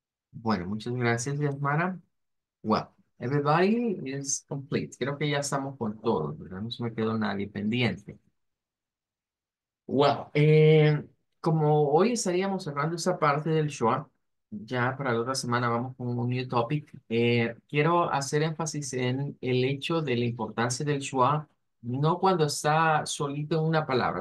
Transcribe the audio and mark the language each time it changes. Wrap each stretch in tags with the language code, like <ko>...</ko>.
<es>Bueno, muchas gracias, Yasmara.</es> <en>Well, everybody is complete.</en> <es>Creo que ya estamos con todos, ¿verdad? No se me quedó nadie pendiente. Well, como hoy estaríamos cerrando esa parte del schwa, ya para la otra semana vamos con un</es> <en>new topic.</en> <es>Quiero hacer énfasis en el hecho de la importancia del schwa, no cuando está solito en una palabra.</es>